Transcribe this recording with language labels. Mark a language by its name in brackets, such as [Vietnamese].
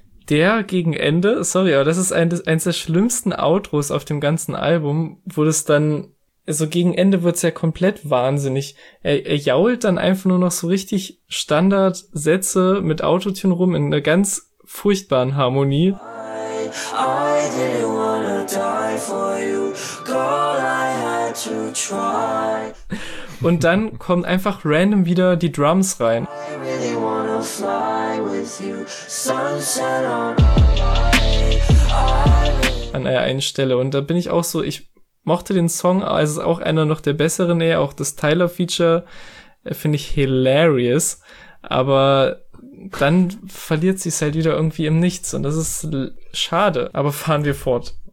[German] Der gegen Ende, sorry, aber das ist eins der schlimmsten Outros auf dem ganzen Album, wo das dann, also gegen Ende wird's ja komplett wahnsinnig. Er jault dann einfach nur noch so richtig Standardsätze mit Autotune rum in einer ganz furchtbaren Harmonie. [English] I didn't wanna die for you, girl, I had to try. [German] Und dann kommen einfach random wieder die Drums rein. [English] I really wanna fly with you, sunset on high. [German] An der einen Stelle, und da bin ich auch so, ich mochte den Song, also ist auch einer noch der besseren, eher auch das Tyler-Feature, finde ich hilarious, aber dann verliert sich's halt wieder irgendwie im Nichts und das ist schade, aber fahren wir fort.